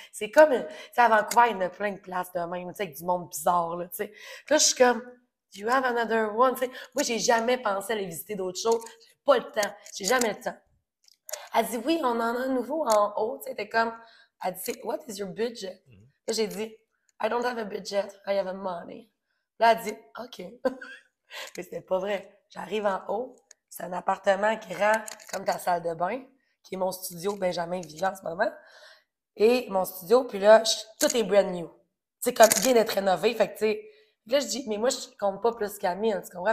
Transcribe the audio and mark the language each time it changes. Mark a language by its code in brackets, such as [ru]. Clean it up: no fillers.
[fr] C'est comme, tu sais, à Vancouver, il y a plein de places de même, tu sais, avec du monde bizarre, là, tu sais. Là, je suis comme, [en] you have another one, [fr] tu sais. Moi, j'ai jamais pensé à aller visiter d'autres choses. J'ai pas le temps. J'ai jamais le temps. Elle dit, oui, on en a un nouveau en haut. Tu sais, elle était comme, elle dit, [en] what is your budget? Mm-hmm. [fr] Là, j'ai dit, [en] I don't have a budget, I have a money. [fr] Là, elle dit, OK. Mais c'était pas vrai. J'arrive en haut, c'est un appartement grand comme ta salle de bain, qui est mon studio Benjamin Villa en ce moment. Et mon studio, puis là, tout est brand new. C'est comme, vient d'être rénové, fait que tu sais, là, je dis, mais moi, je compte pas plus qu'à 1000, tu comprends?